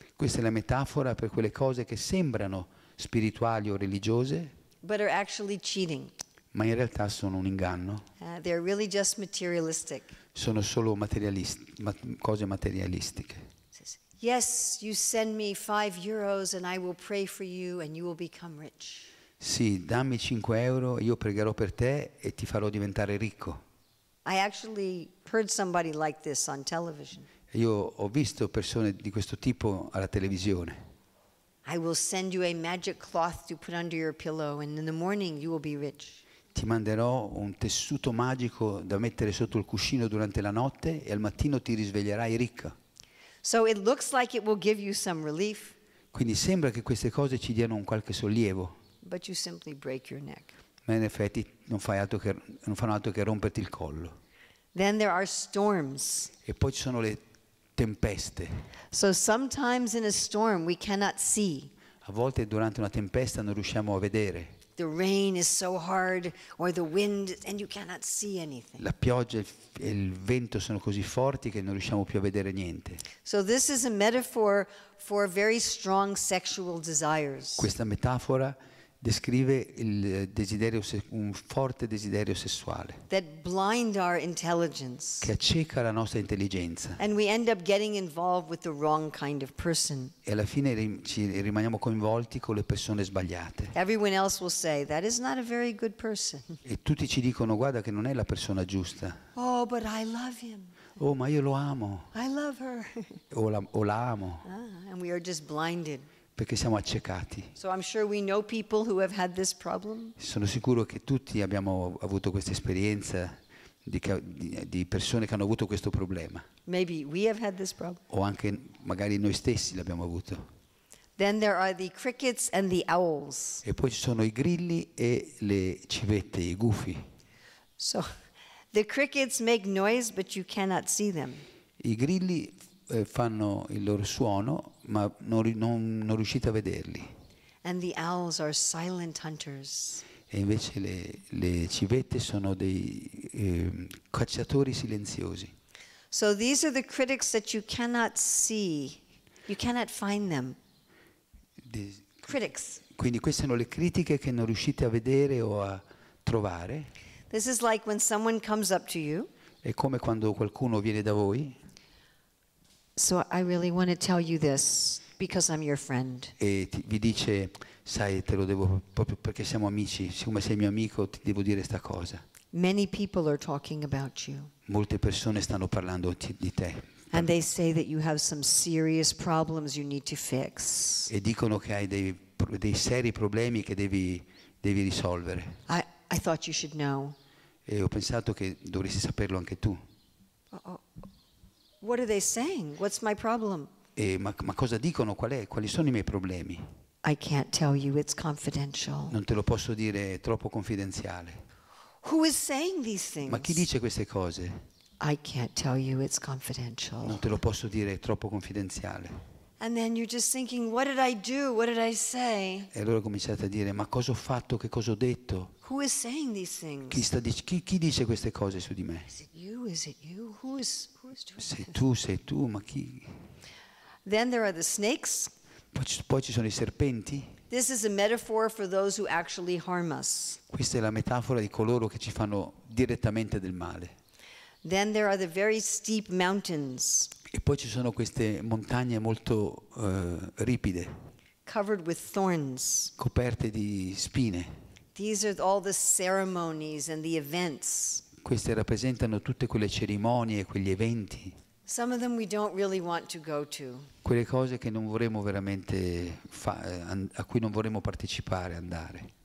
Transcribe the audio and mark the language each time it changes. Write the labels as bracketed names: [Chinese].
[Italian] Questa è la metafora per quelle cose che sembrano spirituali o religiose, [English] but are actually cheating. [Italian] Ma in realtà sono un inganno. [English] They're really just materialistic. [Italian] Sono solo cose materialistiche. [English] Yes, you send me 5 euros and I will pray for you and you will become rich. [Italian] Sì, dammi 5 euro e io pregherò per te e ti farò diventare ricco. [English] I actually heard somebody like this on television. [Italian] Io ho visto persone di questo tipo alla televisione. [English] I will send you a magic cloth to put under your pillow and in the morning you will be rich. [Italian] Ti manderò un tessuto magico da mettere sotto il cuscino durante la notte e al mattino ti risveglierai ricca. [English] So it looks like it will give you some relief. [Italian] Quindi sembra che queste cose ci diano un qualche sollievo. [English] But you simply break your neck. [Italian] Ma in effetti non fanno altro che romperti il collo. [English] Then there are storms. [Italian] E poi ci sono le tempeste. [English] So sometimes in a storm we cannot see. [Italian] A volte durante una tempesta non riusciamo a vedere. [English] The rain is so hard, or the wind, and you cannot see anything. [Italian] La pioggia e il vento sono così forti che non riusciamo più a vedere niente. [English] So this is a metaphor for very strong sexual desires. [Italian] Questa metafora descrive il desiderio, un forte desiderio sessuale. [English] That blind our intelligence. [Italian] Che acceca la nostra intelligenza. [English] And we end up getting involved with the wrong kind of person. [Italian] E alla fine ci rimaniamo coinvolti con le persone sbagliate. [English] Everyone else will say, that is not a very good person. [Italian] E tutti ci dicono, guarda che non è la persona giusta. [English] Oh, but I love him. [Italian] Oh, ma io lo amo. [English] I love her. [Italian] O la amo. [English] And we are just blinded. [Italian] Perché siamo accecati. [English] So I'm sure we know people who have had this problem. [Italian] Sono sicuro che tutti abbiamo avuto questa esperienza di persone che hanno avuto questo problema. [English] Maybe we have had this problem. [Italian] O anche magari noi stessi l'abbiamo avuto. [English] Then there are the crickets and the owls. [Italian] E poi ci sono i grilli e le civette, i gufi. [English] So the crickets make noise but you cannot see them. [Italian] I grilli fanno il loro suono, ma non riuscite a vederli. [English] And the owls are silent hunters. [Italian] E invece le civette sono dei cacciatori silenziosi. [English] So these are the critics that you cannot see. You cannot find them. Critics. [Italian] Quindi queste sono le critiche che non riuscite a vedere o a trovare. [English] This is like when someone comes up to you. [Italian] È come quando qualcuno viene da voi. [English] So I really want to tell you this because I'm your friend. [Italian] E vi dice, sai, te lo devo proprio perché siamo amici, siccome sei mio amico, ti devo dire sta cosa. [English] Many people are talking about you. [Italian] Molte persone stanno parlando di te. [English] And they say that you have some serious problems you need to fix. [Italian] E dicono che hai dei seri problemi che devi risolvere. [English] I thought you should know. [Italian] E ho pensato che dovresti saperlo anche tu. [English] What are they saying? What's my problem? [Italian] ma cosa dicono, quali sono i miei problemi? [English] I can't tell you, it's confidential. [Italian] Non te lo posso dire, è troppo confidenziale. [English] Who is saying these things? [Italian] Ma chi dice queste cose? [English] I can't tell you, it's confidential. [Italian] Non te lo posso dire, è troppo confidenziale. [English] And then you're just thinking, what did I do? What did I say? [Italian] E allora cominciate a dire, ma cosa ho fatto? Che cosa ho detto? [English] Who is saying these things? [Italian] Chi dice queste cose su di me? [English] Is it you? Is it you? Who is doing this? [Italian] Sei tu, ma chi? [English] Then there are the snakes. [Italian] Poi ci sono i serpenti. [English] This is a metaphor for those who actually harm us. [Italian] Questa è la metafora di coloro che ci fanno direttamente del male. [English] Then there are the very steep mountains. [Italian] E poi ci sono queste montagne molto ripide. [English] Covered with thorns. [Italian] Coperte di spine. [English] These are all the ceremonies and the events. [Italian] Queste rappresentano tutte quelle cerimonie, quegli eventi. [English] Some of them we don't really want to go to. [Italian] Quelle cose che non vorremmo veramente a cui non vorremmo partecipare, andare.